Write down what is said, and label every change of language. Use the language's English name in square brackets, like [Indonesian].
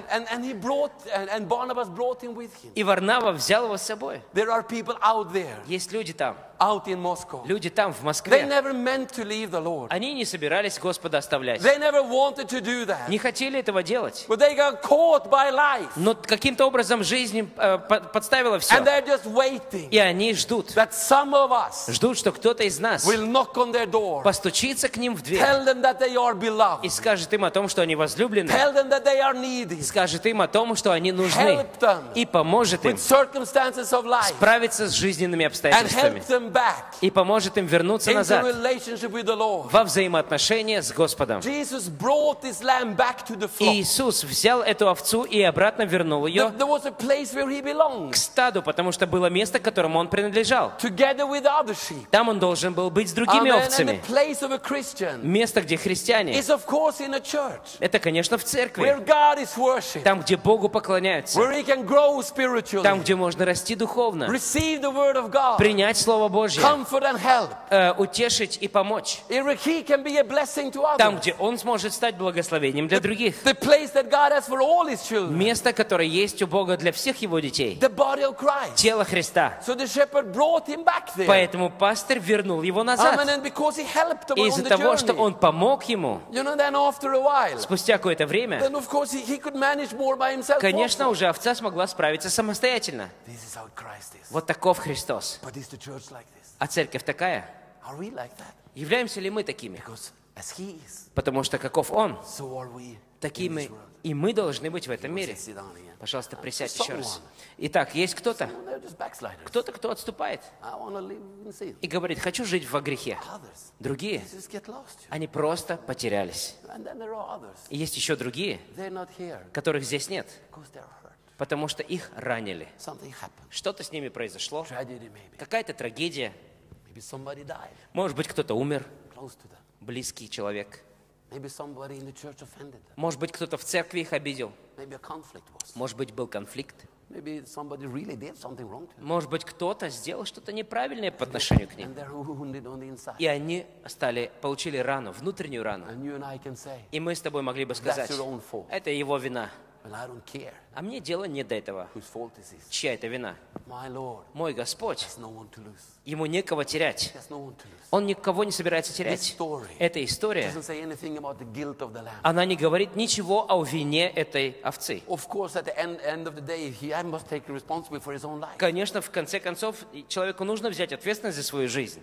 [English] And he brought and Barnabas brought him with him. [Russian] И Варнава взял его с собой. [English] There are people out there. [Russian] Есть люди там. [English] Out in Moscow. [Russian] Люди там в Москве. [English] They never meant to leave the Lord. [Russian] Они не собирались Господа оставлять. [English] They never wanted to do that. [Russian] Не хотели этого делать. [English] But they got caught by life. [Russian] Но каким-то образом жизнь подставила все. [English] And they're just waiting. [Russian] И они ждут. [English] That some of us. [Russian] Ждут, что кто-то из нас. [English] Will knock on their door. [Russian] Постучится к ним в дверь. [English] Tell them that they are beloved. [Russian] И скажет им о том, что они возлюблены. [English] Tell them that they are needed. [Russian] Скажет им о том, что они нужны. [English] Help them. [Russian] И поможет им. [English] With circumstances of life. [Russian] Справиться с жизненными обстоятельствами. [English] And help them back. [Russian] И поможет им вернуться назад. [English] Into relationship with the Lord. [Russian] Во взаимоотношения с Господом. [English] Jesus brought this lamb back to the flock. [Russian] Иисус взял эту овцу и обратно вернул ее. [English] There was a place where he belonged. [Russian] К стаду, потому что было место, которому он принадлежал. [English] Together with other sheep. [Russian] Там он должен был быть с другими овцами. [English] And the place of a Christian. [Russian] Место, где христиане. [English] Is of course in a church. [Russian] Это, конечно, в церкви. [English] Where God is worshiped. [Russian] Там, где Богу поклоняются. [English] Where he can grow spiritually. [Russian] Там, где можно расти духовно. [English] Receive the word of God. [Russian] Принять Слово Божье. [English] Comfort and help. [Russian] Утешить и помочь. [English] He can be a blessing to others. [Russian] Там, где он сможет стать благословением для других. [English] The place that God has for all his children. [Russian] Место, которое есть у Бога для всех его детей. [English] The body of Christ. [Russian] Тело Христа. [English] So the shepherd brought him back there. [Russian] Поэтому пастырь вернул его назад. [English] And because he helped him on the journey. [Russian] Из-за того, что он помог ему. [English] You know, then after a while. [Russian] Спустя какое-то время. [English] Then of course he could manage more by himself. [Russian] Конечно, уже овца смогла справиться самостоятельно. [English] This is how Christ is. [Russian] Вот таков Христос. [English] But is the church like this? [Russian] А церковь такая? [English] Are we like that? [Russian] Являемся ли мы такими? [English] Because as he is, [Russian] потому что каков он, [English] so are we [Russian] такими и мы должны быть в этом мире. Пожалуйста, присядь еще раз. Итак, есть кто-то? Кто-то, кто отступает. И говорит, хочу жить во грехе. Другие, они просто потерялись. И есть еще другие, которых здесь нет. Потому что их ранили. Что-то с ними произошло. Какая-то трагедия. [English] Maybe somebody died. [Russian] Может быть, кто-то умер. [English] Close to them. [Russian] Близкий человек. [English] Maybe somebody in the church offended them. [Russian] Может быть, кто-то в церкви их обидел. [English] Maybe a conflict was. [Russian] Может быть, был конфликт. [English] Maybe somebody really did something wrong to them. [Russian] Может быть, кто-то сделал что-то неправильное по отношению к ним. [English] And they're wounded on the inside. [Russian] И они стали, получили рану, внутреннюю рану. [English] And you and I can say, [Russian] и мы с тобой могли бы сказать, [English] that's your own fault. [Russian] Это его вина. [English] Well, I don't care. [Russian] А мне дело не до этого. [English] Whose fault is this? [Russian] Чья это вина? [English] My Lord. [Russian] Мой Господь. [English] Has no one to lose. [Russian] Ему некого терять. [English] Has no one to lose. [Russian] Он никого не собирается терять. [English] This story. [Russian] Эта история. [English] Doesn't say anything about the guilt of the lamb. [Russian] Она не говорит ничего о вине этой овцы. [English] Of course, at the end of the day, he must take responsibility for his own life. [Russian] Конечно, в конце концов, человеку нужно взять ответственность за свою жизнь.